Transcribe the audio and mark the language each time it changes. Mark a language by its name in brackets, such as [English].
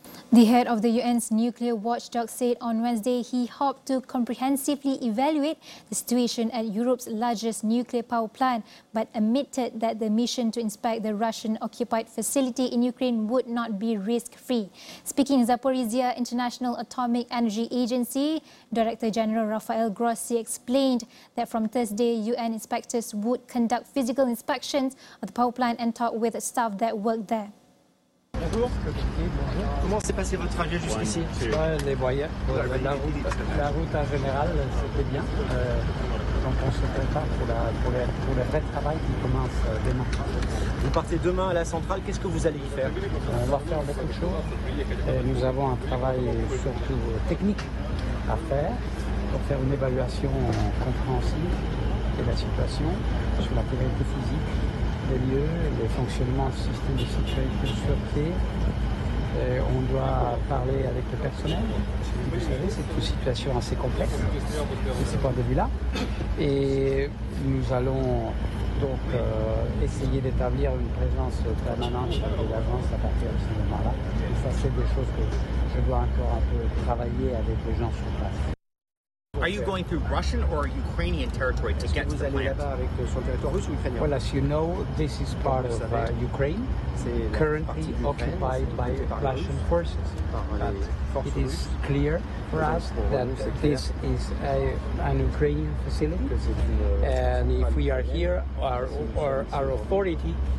[English] The head of the UN's nuclear watchdog said on Wednesday he hoped to comprehensively evaluate the situation at Europe's largest nuclear power plant, but admitted that the mission to inspect the Russian-occupied facility in Ukraine would not be risk-free. Speaking in Zaporizhia International Atomic Energy Agency, Director General Rafael Grossi explained that from Thursday, UN inspectors would conduct physical inspections of the power plant and talk with staff that work there. [French] Bonjour. Comment s'est passé votre trajet jusqu'ici? Les voyages, la route en général, c'était bien. Donc on se prépare pour le vrai travail qui commence demain. Vous partez demain à la centrale, qu'est-ce que vous allez y faire? On va faire beaucoup de choses. Et nous avons un travail surtout technique à faire pour faire une évaluation compréhensive de la situation sur la qualité physique des lieux, les fonctionnements, le système de sécurité, de sûreté. Et on doit parler avec le personnel. Vous savez, c'est une situation assez complexe de ce point de vue-là. Et nous allons donc essayer d'établir une présence permanente de l'agence à partir de ce moment-là. Et ça, c'est des choses que je dois encore un peu travailler avec les gens sur place. [English] Are you going through Russian or Ukrainian territory to get to the plant? Well, as you know, this is part of Ukraine, currently occupied by Russian forces. It is clear for us that this is an Ukrainian facility, and if we are here, our authority